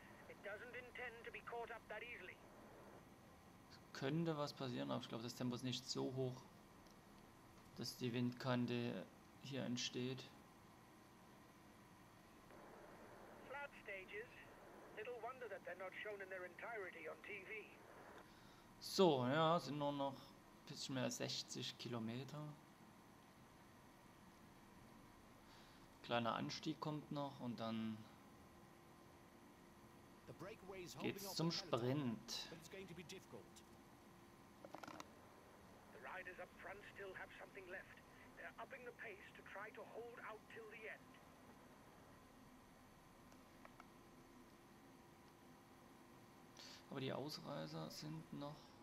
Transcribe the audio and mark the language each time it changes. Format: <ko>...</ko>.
<en>It doesn't intend to be caught up that easily.</en> <de>Es könnte was passieren, aber ich glaube, das Tempo ist nicht so hoch, dass die Windkante hier entsteht.</de> <en>Flat stages. Little wonder that they're not shown in their entirety on TV.</en> <de>So, ja, sind nur noch ein bisschen mehr 60 Kilometer. Kleiner Anstieg kommt noch und dann geht's zum Sprint.</de> <en>The riders up front still have something left. They're upping the pace to try to hold out till the end.</en> <de>Aber die Ausreißer sind noch.</de>